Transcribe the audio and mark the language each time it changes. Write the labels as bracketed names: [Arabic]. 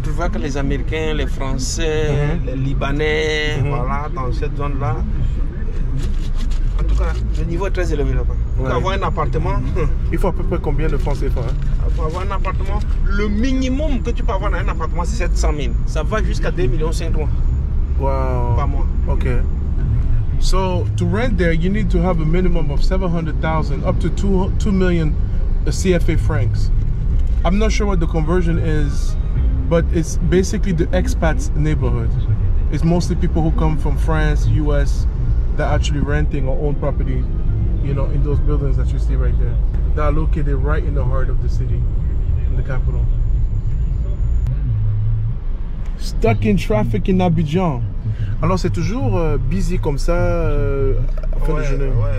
[French] Tu vois que les Américains, les Français, les Libanais, voilà, dans cette zone-là. En tout cas, le niveau est très élevé là-bas. Pour avoir un appartement... Il faut à peu près combien de francs CFA? Pour avoir un appartement, le minimum que tu peux avoir dans un appartement, c'est 700 000. Ça va jusqu'à 2 500 000. Wow. Pas moins. Okay. [English] So to rent there, you need to have a minimum of 700,000 up to 2 million CFA francs. I'm not sure what the conversion is, but it's basically the expats neighborhood. It's mostly people who come from France, US, that are actually renting or own property, you know, in those buildings that you see right there, that are located right in the heart of the city, in the capital. Stuck in traffic in Abidjan. [French] Alors c'est toujours busy comme ça à fin de journée.